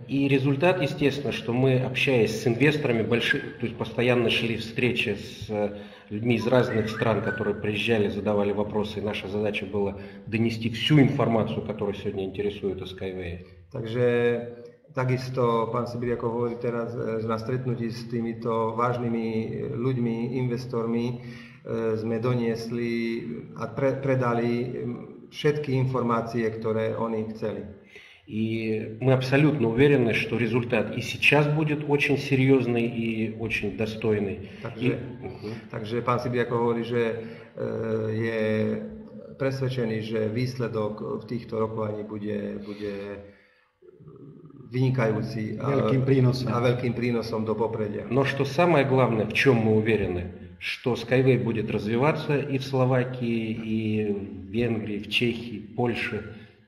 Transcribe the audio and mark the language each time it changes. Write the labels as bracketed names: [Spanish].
[Russian] I rezultát, естественно, что мы, общаясь с инвесторами, то есть постоянно шли встречи с людьми из разных стран, которые приезжали, задавали вопросы, и наша задача была донести всю информацию, которая сегодня интересует о SkyWay. [Slovak] Takže takisto pán Sibiriako hovorí teraz, že na stretnutí s týmito vážnymi ľuďmi, investormi, sme doniesli a predali všetky informácie, ktoré oni chceli. [Russian] И мы абсолютно уверены, что результат и сейчас будет очень серьезный и очень достойный. [Slovak] Takže pán Sibiriako hovorí, že je presvedčený, že výsledok v týchto rokovaní bude vynikajúci a veľkým prínosom do popredia. [Russian] Но что самое главное, в чём мы уверены, что SkyWay будет развиваться и в Словакии, и в Венгрии, в Чехии, в Польше.